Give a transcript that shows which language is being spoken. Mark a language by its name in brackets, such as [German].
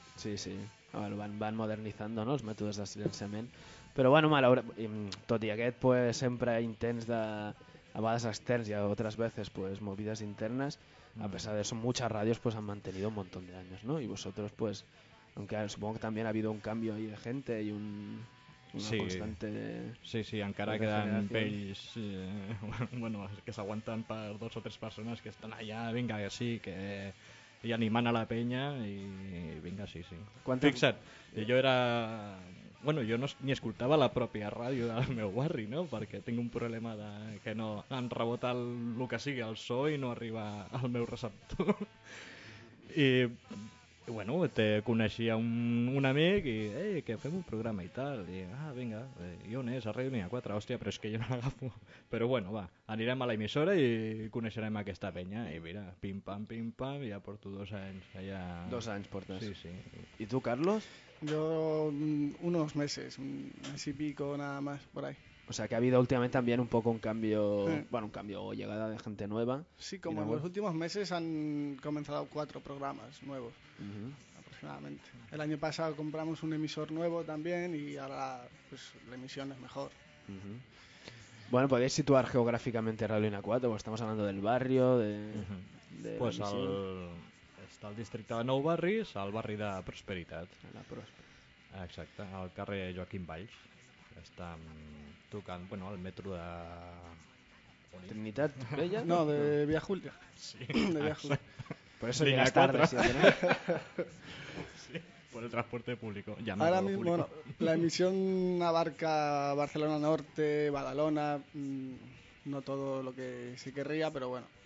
[Catalan] Sí, sí, bueno, van modernitzant, no?, els mètodes de silenciament, però bueno, tot i aquest, pues, sempre intents de... a vegades externs i a altres vegades pues, movides internes, [Spanish] a pesar de eso, muchas radios pues, han mantenido un montón de años, ¿no? Y vosotros, pues, aunque supongo que también ha habido un cambio ahí de gente y una sí, constante... [Catalan] Sí, sí, encara quedan vells, bueno, que s'aguanten per dos o tres persones que estan allà, vinga, que sí, que... i animant a la penya i vinga, sí, sí. Fixa't, jo era... Bueno, jo no ni escoltava la pròpia ràdio del meu barri, no? Perquè tinc un problema de que no em rebota el que sigui el so i no arriba al meu receptor. I bueno, te coneixia un amic i, ei, que fem un programa i tal. I, vinga, i on és? A Ràdio Línia 4, hòstia, però és que jo no l'agafo. Però bueno, va, anirem a l'emissora i coneixerem aquesta penya. I mira, pim-pam, pim-pam, ja porto 2 anys allà. 2 anys portes. Sí, sí. I tu, Carlos? [Spanish] Yo unos meses, un mes y pico nada más, por ahí. O sea, que ha habido últimamente también un poco un cambio, bueno, un cambio o llegada de gente nueva. Sí, como en los últimos meses han comenzado 4 programas nuevos, aproximadamente. El año pasado compramos un emisor nuevo también y ahora pues, la emisión es mejor. Bueno, ¿podéis situar geográficamente Radio Ina 4? Pues estamos hablando del barrio, de... Pues al... [Catalan] està al districte de Nou Barris, al barri de Prosperitat. La Prosperitat. Exacte, al carrer Joaquim Valls. Està tocant, bueno, al metro de... Trinitat Vella? No, de Via Júlia. Sí, de Via Júlia. [Spanish] Por eso llegas tarde, si no. Sí, por el transporte público. Ya no ahora mismo, público. Bueno, la emisión abarca Barcelona Norte, Badalona, no todo lo que se querría, pero bueno.